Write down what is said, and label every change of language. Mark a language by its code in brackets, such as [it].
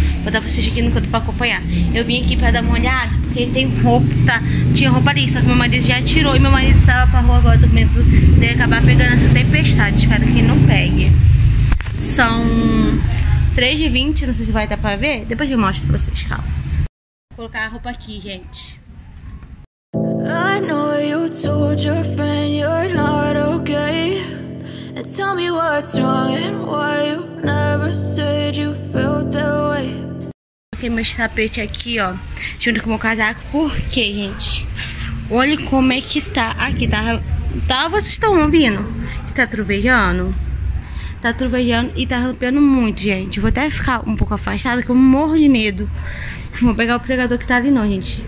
[pt] Vou dar pra vocês aqui no canto pra acompanhar. Eu vim aqui pra dar uma olhada, porque tem roupa, tá? Tinha roupa ali, só que meu marido já tirou e meu marido estava pra rua agora. Tô com medo de acabar pegando essa tempestade. Espero que não pegue. São 3h20, não sei se vai dar pra ver. Depois eu mostro pra vocês, calma. Vou colocar a roupa aqui, gente. [en] I know you told your friend you're not okay. And tell me what's wrong and why you never said you felt that way. [pt] Coloquei meus tapetes aqui, ó, junto com o meu casaco. Por quê, gente? Olha como é que tá. Aqui tá Tá, vocês estão ouvindo? Tá trovejando? Tá trovejando e tá rampeando muito, gente. Vou até ficar um pouco afastada, que eu morro de medo. Vou pegar o pregador que tá ali, não, gente.